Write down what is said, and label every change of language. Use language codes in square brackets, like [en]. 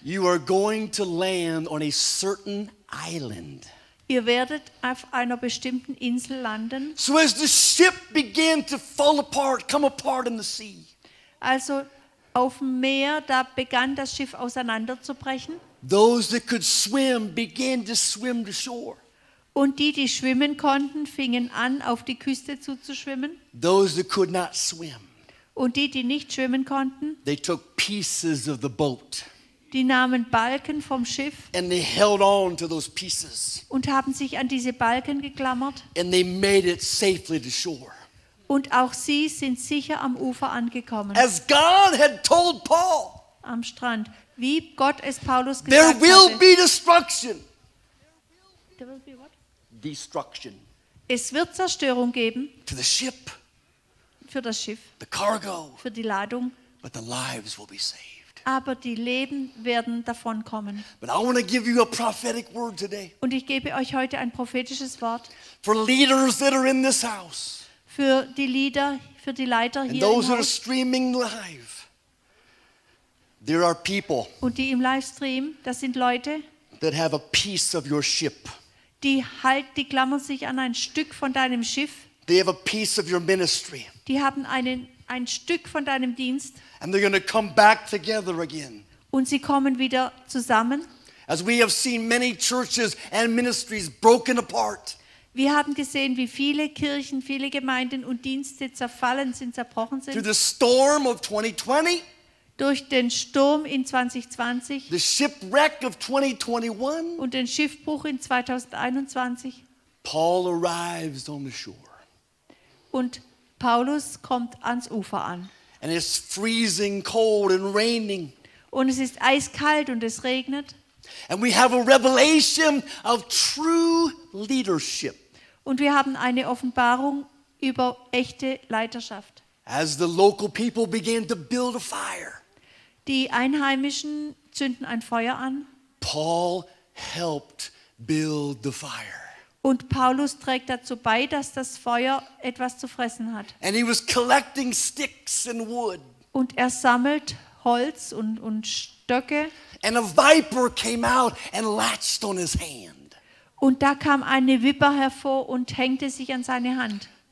[en] you are going to land on a certain island. [de] Ihr werdet auf einer bestimmten Insel landen. [en] So as the ship began to fall apart, come apart in the sea. [de] Also auf dem Meer, da begann das Schiff auseinanderzubrechen. [en] Those that could swim began to swim to shore. [de] Und die schwimmen konnten, fingen an, auf die Küste zuzuschwimmen. [en] Those that could not swim. [de] Und die nicht schwimmen konnten. [en] They took pieces of the boat. [de] Die nahmen Balken vom Schiff [en] and they held on to those pieces [de] und haben sich an diese Balken geklammert [en] and they made it safely to shore. [de] Und auch sie sind sicher am Ufer angekommen. [en] As God had told Paul, [de] am Strand, wie Gott es Paulus gesagt [en] there will [de] hatte, [en] be destruction. There will be what? Destruction. [de] Es wird Zerstörung geben [en] to the ship, [de] für das Schiff, [en] the cargo, [de] für die Ladung, [en] but the lives will be saved. [de] Aber die Leben werden davon kommen. [en] But I want to give you a prophetic word today. [de] Und ich gebe euch heute ein prophetisches Wort. [en] For leaders that are in this house. [de] Für die Leader, für die Leiter hier. [en] And those that are streaming live. There are people. [de] Und die im Livestream, das sind Leute. [en] That have a piece of your ship. [de] Die klammern sich an ein Stück von deinem Schiff. [en] They have a piece of your ministry. [de] Die haben ein Stück von deinem Dienst. [en] And they're going to come back together again. [de] Und sie kommen wieder zusammen. [en] As we have seen many churches and ministries broken apart. [de] Wir haben gesehen, wie viele Kirchen, viele Gemeinden und Dienste zerfallen sind, zerbrochen sind. [en] Through the storm of 2020. [de] Durch den Sturm in 2020. [en] The shipwreck of 2021. [de] Und den Schiffbruch in 2021. [en] Paul arrives on the shore. [de] Und Paulus kommt ans Ufer an. [en] And it's freezing cold and raining. [de] Und es ist eiskalt und es regnet. [en] And we have a revelation of true leadership. [de] Und wir haben eine Offenbarung über echte Leiterschaft. [en] As the local people began to build a fire. [de] Die Einheimischen zünden ein Feuer an. [en] Paul helped build the fire. [de] Und Paulus trägt dazu bei, dass das Feuer etwas zu fressen hat. [en] And he was collecting sticks and wood. [de] Und er sammelt Holz und Stöcke. [en] And a viper came out and latched on his hand. [de] Und da kam eine Viper hervor und hängte sich an seine Hand.